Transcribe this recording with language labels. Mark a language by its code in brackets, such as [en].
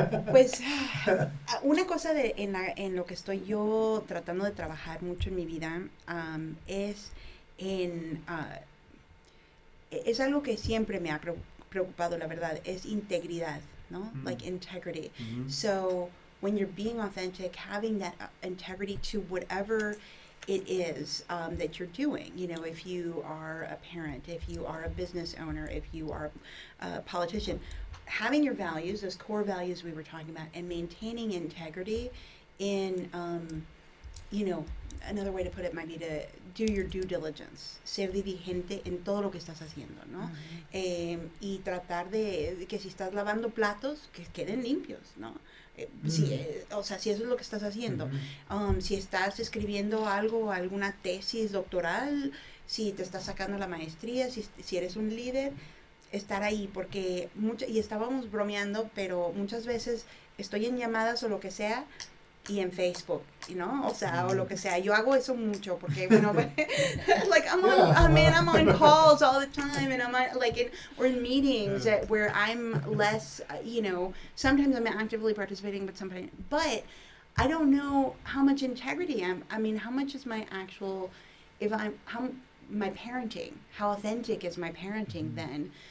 [es] Pues una cosa de, en lo que estoy yo tratando de trabajar mucho en mi vida es en es algo que siempre me ha preocupado, la verdad, es integridad, ¿no? [en] Mm-hmm. Like integrity. Mm-hmm. So when you're being authentic, having that integrity to whatever it is that you're doing, you know, if you are a parent, if you are a business owner, if you are a politician, having your values, those core values we were talking about, and maintaining integrity in, you know, another way to put it might be to do your due diligence, [es] ser diligente en todo lo que estás haciendo, ¿no? [en] Mm-hmm. [es] Y tratar de, que si estás lavando platos, que queden limpios, ¿no? Si, o sea, si eso es lo que estás haciendo. Mm-hmm. Si estás escribiendo algo, alguna tesis doctoral, si te estás sacando la maestría, si eres un líder, estar ahí, porque mucho, y estábamos bromeando, pero muchas veces estoy en llamadas o lo que sea y en Facebook, ¿no? O sea, o lo que sea. Yo hago eso mucho porque, bueno, [en] like, I'm on calls all the time and I'm on, like, or in meetings where I'm less, you know, sometimes I'm actively participating, but I don't know how much integrity I'm, I mean, how much is my actual, if I'm, how my parenting, how authentic is my parenting then?